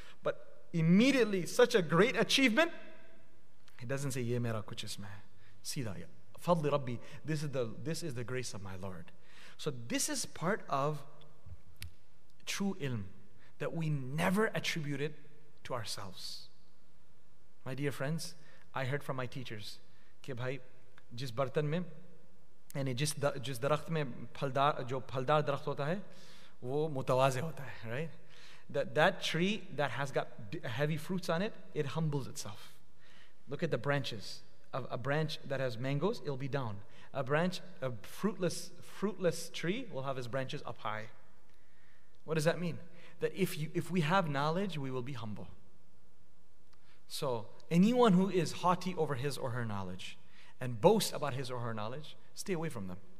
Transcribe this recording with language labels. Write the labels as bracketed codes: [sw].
[en] But immediately, such a great achievement, he doesn't say, [ur] ye mera kuch isme, seedha, [ar] fadli rabbi, [en] this is the grace of my Lord. So this is part of true ilm that we never attribute it to ourselves. My dear friends, I heard from my teachers, [ur] کہ بھائی جس برتن میں یعنی جس درخت میں پھلدار جو پھلدار درخت ہوتا ہے وہ متواضع ہوتا ہے، right? [en] That tree that has got heavy fruits on it, it humbles itself. Look at the branches of a branch that has mangoes, it'll be down. A fruitless tree will have its branches up high. What does that mean? That if we have knowledge, we will be humble. So anyone who is haughty over his or her knowledge and boasts about his or her knowledge, stay away from them.